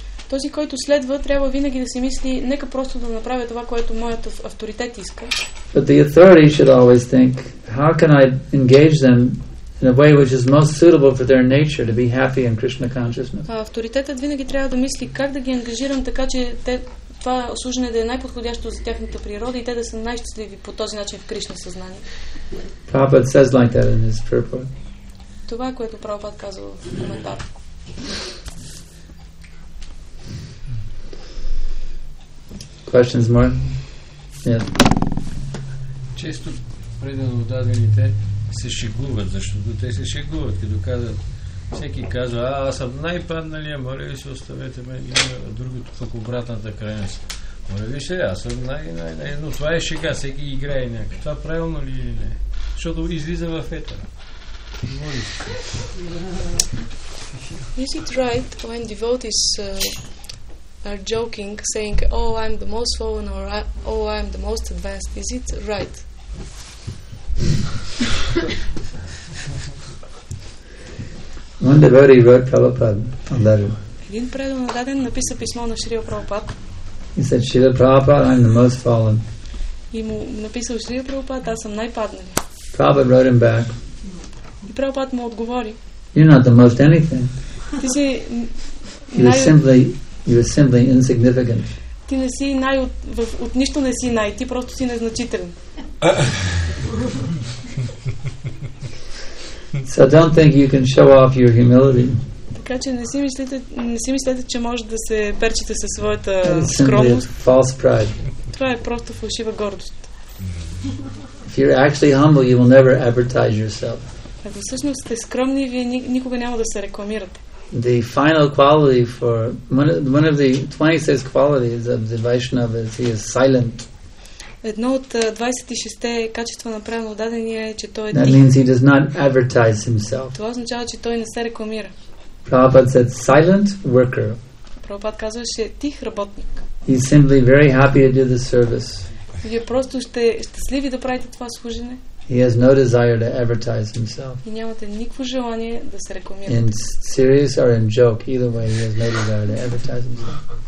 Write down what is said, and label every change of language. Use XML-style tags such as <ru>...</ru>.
<bg>Този, който следва, трябва винаги да си мисли, нека просто да направя това, което моят авторитет иска.</bg> <en>But the authority should always think, how can I engage them in a way which is most suitable for their nature to be happy in Krishna consciousness.</en> <bg>А авторитетът винаги трябва да мисли как да ги ангажирам така че те това служене да е най-подходящо за тяхната природа и те да са най-щастливи по този начин в Кришна съзнание.</bg> <en>Prabhupada says like that in his purport.</en> <bg>Това, което Prabhupada казва в коментар.</bg> <en>Questions more? Yeah.</en> <bg>Често предано дадените се шегуват, защото те се шегуват и доказват. Всеки казва, аз съм най-падналия, моля ви се, оставете ме, и другото пък обратната крайност. Моля ви се, аз съм най-най-най, но това е шега, всеки играе някак. Това правилно ли или не? Защото излиза в етър. Моли се.</bg> <en>Is it right when devotees are joking, saying, oh, I'm the most fallen, or oh, I'm the most advanced? Is it right? One devotee wrote Prabhupada a letter.</en> <bg>Един предан даден написа писмо на Шрила Прабхупад.</bg> <en>He said, Шрила Прабхупад, I'm the most fallen.</en> <bg>И му написал Шрила Прабхупад, аз съм най-паднали.</bg> <en>Prabhupada wrote him back.</en> <bg>И Прабхупад му отговори.</bg> <en>You're not the most anything.</en> <bg>Ти си</bg> <en>You are simply insignificant.</en> <bg>Ти не си най от нищо не си най, ти просто си незначителен.</bg> <en>So don't think you can show off your humility.</en> <bg>Така че не си мислите, че може да се перчите със своята скромност.</bg> <en>False pride.</en> <bg>Това е просто фалшива гордост.</bg> <en>If you're actually humble, you will never advertise yourself.</en> <bg>Ако всъщност сте скромни, вие никога няма да се рекламирате.</bg> <en>The final quality for one of the 26 qualities of the Vaishnava is he is silent.</en> <bg>Едно от 26-те качества на правилно дадения е, че той е тих.</bg> <en>That means he does not advertise himself.</en> <bg>Това означава, че той не се рекламира.</bg> <en>Prabhupada said, silent worker.</en> <bg>Prabhupada казваше, тих работник.</bg> <en>He's simply very happy to do the service.</en> <bg>Вие просто сте щастливи да правите това служене.</bg> <en>He has no desire to advertise himself.</en> <bg>И нямате никакво желание да се рекламирате.</bg> <en>In serious or in joke, either way, he has no desire to advertise himself.</en>